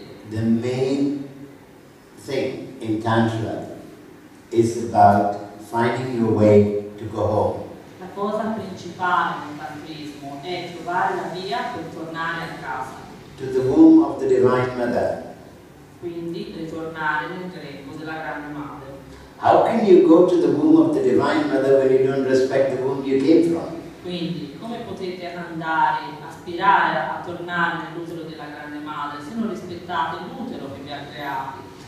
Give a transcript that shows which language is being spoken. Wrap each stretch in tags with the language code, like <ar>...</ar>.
<en>The main thing in Tantra is about finding your way to go home.</en> <it>La cosa principale nel tantrismo è trovare la via per tornare a casa.</it> <en>To the womb of the Divine Mother.</en> <it>Quindi ritornare nel grembo della Grande Madre.</it> <en>How can you go to the womb of the Divine Mother when you don't respect the womb you came from?</en> <it>Quindi, come potete andare, aspirare a tornare nell'utero della Grande Madre se non rispettate l'utero che vi ha creato?</it>